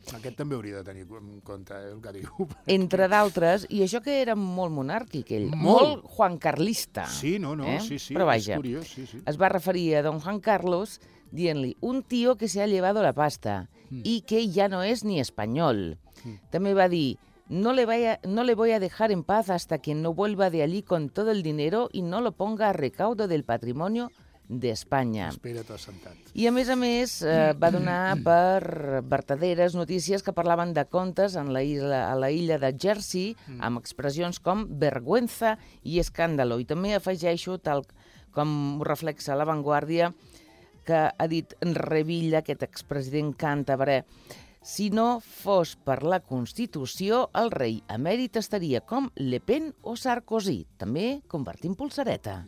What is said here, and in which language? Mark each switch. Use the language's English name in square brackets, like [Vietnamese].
[Catalan] Aquest també hauria de tenir en compte el que diu. Entre d'altres, i això que era molt monàrquic ell, molt juancarlista. Sí, sí. Però vaja, és curiós, sí. Es va referir a don Juan Carlos dient-li [Spanish] un tío que se ha llevado la pasta [Catalan] i que ja no és ni espanyol. També va dir [Spanish] No le voy a dejar en paz hasta que no vuelva de allí con todo el dinero y no lo ponga a recaudo del patrimonio d'Espanya. [Catalan] Espera't assentat. I a més, va donar per vertaderes notícies que parlaven de comptes en [Spanish] la isla, [Catalan] a la illa de Jersey, amb expressions com vergüenza i escàndalo. I també afegeixo, tal com ho reflexa La Vanguardia, que ha dit Revilla, aquest expresident càntabre: si no fos per la Constitució, el rei emèrit estaria com Le Pen o Sarkozy, també convertint polsareta.